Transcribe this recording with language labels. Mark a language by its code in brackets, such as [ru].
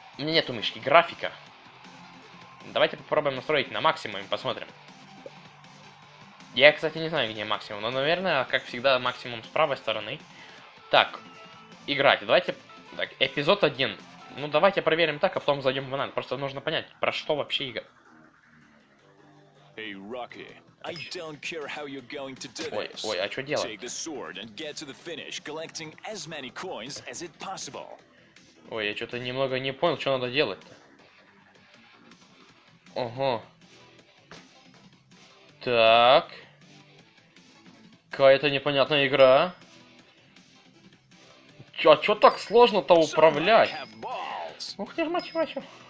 [ru] У меня нету мышки, графика. Давайте попробуем настроить на максимум и посмотрим. Я, кстати, не знаю, где максимум, но, наверное, как всегда, максимум с правой стороны. Так, играть. Давайте, так, эпизод 1. Ну, давайте проверим так, а потом зайдем в анализ. Просто нужно понять, про что вообще игра. [en] Hey, Rocky, I don't care how you're going to do this. [ru] Ой, а что делать? [en] Take the sword and get to the finish, collecting as many coins as it possible. [ru] Ой, я что-то немного не понял, что надо делать-то. Ого. Так. Какая-то непонятная игра. А чё так сложно-то управлять? Ух ты ж, мачо-мачо.